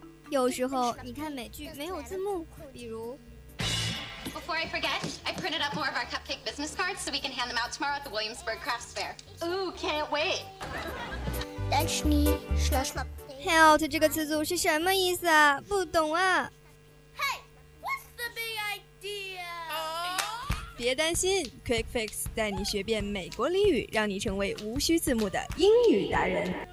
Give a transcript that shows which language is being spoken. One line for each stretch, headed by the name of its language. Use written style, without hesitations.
Chinese: 有时候你看美剧没有字幕，比如。
English: Before I forget, I printed up more of our cupcake business cards so we can hand them out tomorrow at the Williamsburg Crafts Fair. Ooh, can't wait. Dashni, slash my.
Chinese: Help 这个词组是什么意思啊？不懂啊。
English: Hey, what's the big idea?、
Chinese: 别担心 ，Quick Fix 带你学遍美国俚语，让你成为无需字幕的英语达人。